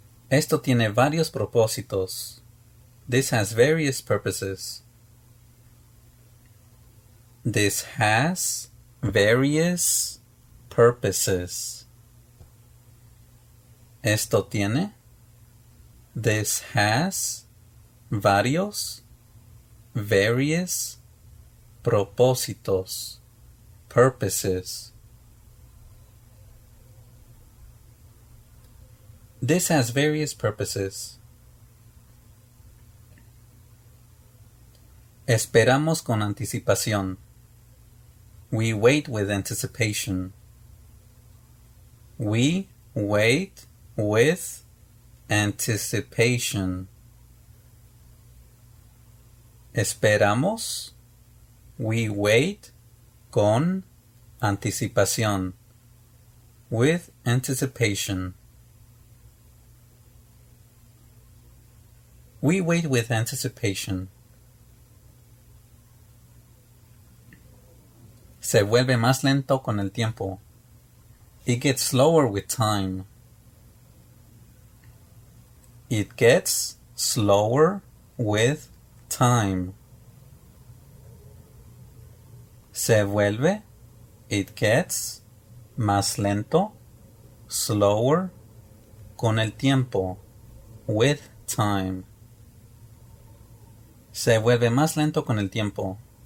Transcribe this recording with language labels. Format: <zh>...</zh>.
<es>Esto tiene varios propósitos.</es> <en>This has various purposes. This has various purposes.</en> <es>Esto tiene.</es> <en>This has</en> <es>varios,</es> <en>various</en> <es>propósitos,</es> <en>purposes. This has various purposes.</en> <es>Esperamos con anticipación.</es> <en>We wait with anticipation. We wait with anticipation.</en> <es>Esperamos.</es> <en>We wait</en> <es>con anticipación.</es> <en>With anticipation. We wait with anticipation.</en> <es>Se vuelve más lento con el tiempo.</es> <en>It gets slower with time. It gets slower with time.</en> <es>Se vuelve.</es> <en>It gets</en> <es>más lento,</es> <en>slower,</en> <es>con el tiempo,</es> <en>with time.</en> <es>Se vuelve más lento con el tiempo.</es>